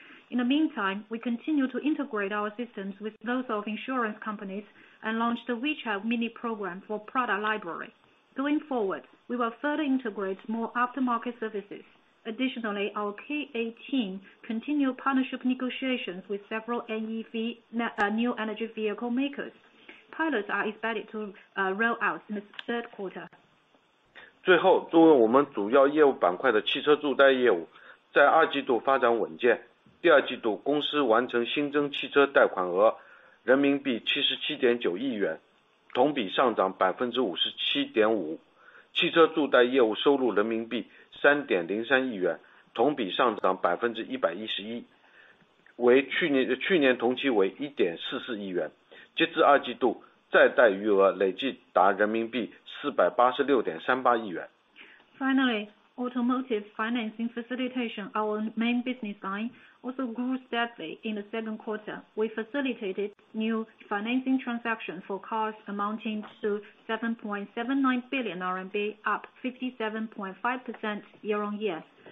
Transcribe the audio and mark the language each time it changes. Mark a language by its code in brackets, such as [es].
[en] In the meantime, we continue to integrate our systems with those of insurance companies and launch the WeChat mini program for product library.Going forward, we will further integrate more aftermarket services, Additionally, our K18 continued partnership negotiations with several new energy vehicle makers. Pilots are expected to roll out in the third quarter. [zh] 最后，作为我们主要业务板块的汽车助贷业务，在二季度发展稳健。第二季度，公司完成新增汽车贷款额人民币77.9亿元，同比上涨57.5%。汽车助贷业务收入人民币3.03亿元，同比上涨111%，为去年同期为1.44亿元。截至二季度，再贷余额累计达人民币486.38亿元。 [en] Finally, automotive financing facilitation, our main business line, also grew steadily in the second quarter. We facilitated new financing transactions for cars amounting to 7.79 billion RMB, up 57.5% year-on-year.